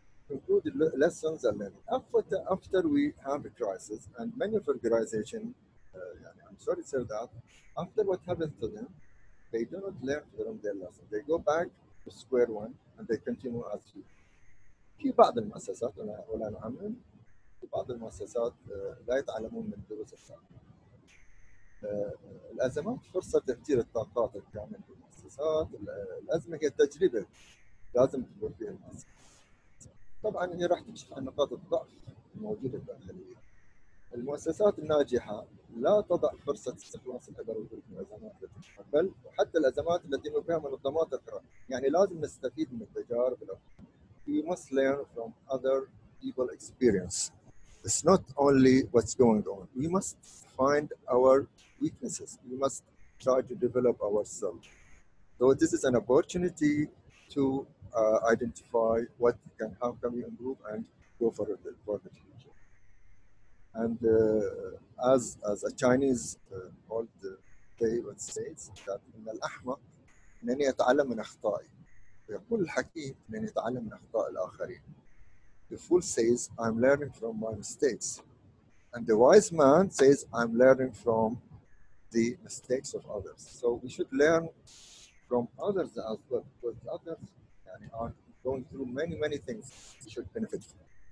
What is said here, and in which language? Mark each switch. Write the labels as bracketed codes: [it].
[en] Include the lessons and learning. After we have a crisis, and many of organizations, I'm sorry to say that, after what happens to them, they do not learn from their lesson. They go back to square one, and they continue as usual. [ar] في بعض المؤسسات ولا نعمل في بعض المؤسسات لا يتعلمون من دروس السابقة. الأزمات فرصة تفجير الطاقات الكاملة في المؤسسات. الأزمة هي تجربة لازم تمر فيها المؤسسات. طبعاً هي راح تكشف عن نقاط الضعف الموجودة داخلية. المؤسسات الناجحة لا تضع فرصة استخلاص الأجر وجود الأزمات التي تقبل وحتى الأزمات التي نبيها منظمات أخرى. يعني لازم نستفيد من التجارب الأخرى. [en] We must learn from other people experience. It's not only what's going on. We must find our weaknesses. We must try to develop ourselves. So this is an opportunity to identify what can, how can we improve and go for the future. And as a Chinese old day would say, that [ar] إن الأحمق من يتعلم من أخطائي ويقول الحكيم من يتعلم من أخطاء الآخرين. [en] The fool says, I'm learning from my mistakes. And the wise man says, I'm learning from the mistakes of others. So we should learn from others as well, because others يعني are going through many many things you should benefit from.